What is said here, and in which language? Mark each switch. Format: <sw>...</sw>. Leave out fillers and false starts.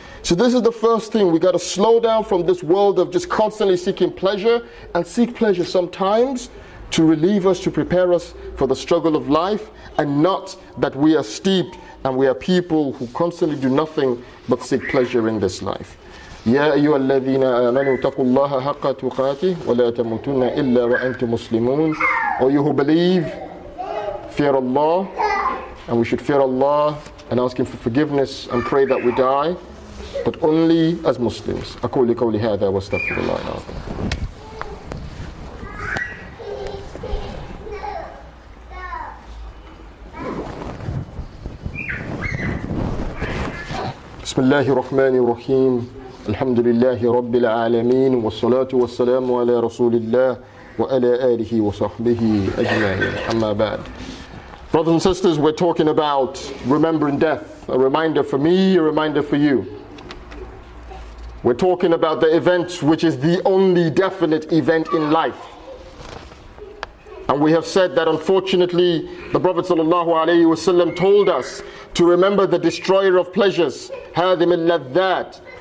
<en>So this is the first thing. We got to slow down from this world of just constantly seeking pleasure and seek pleasure sometimes to relieve us, to prepare us for the struggle of life, and not that we are steeped and we are people who constantly do nothing but seek pleasure in this life.</en> <ar>يا أيها الذين آمنوا اتقوا الله حق تقاته ولا تموتن إلا وأنتم مسلمون.</ar> <en>All you who believe, fear Allah, and we should fear Allah and ask Him for forgiveness and pray that we die, but only as Muslims.</en> <ar>أقول قولي هذا واستغفر الله العظيم. بسم الله الرحمن الرحيم. الحمد لله رب العالمين والصلاة والسلام على رسول الله وعلى آله وصحبه أجمعين. أما بعد.</ar> <en>Brothers and sisters, we're talking about remembering death. A reminder for me, a reminder for you. We're talking about the event which is the only definite event in life. And we have said that unfortunately, the Prophet sallallahu alaihi wasallam told us to remember the destroyer of pleasures, هذه من لذات.</en>